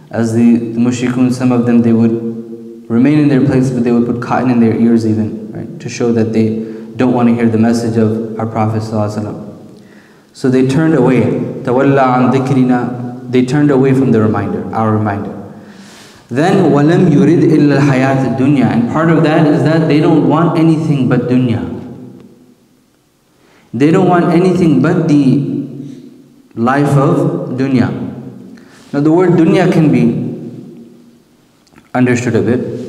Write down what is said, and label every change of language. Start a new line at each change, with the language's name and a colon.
English: As the mushrikun, some of them, they would remain in their place, but they would put cotton in their ears even, right, to show that they don't want to hear the message of our Prophet ﷺ. So they turned away.
Arabic: تَوَلَّى عَنْ ذِكْرِنَا.
English: They turned away from the reminder, our reminder. Then,
Arabic: وَلَمْ يُرِدْ إِلَّا الْحَيَاةِ الدُّنْيَا.
English: And part of that is that they don't want anything but dunya. They don't want anything but the life of dunya. Now the word dunya can be understood a bit.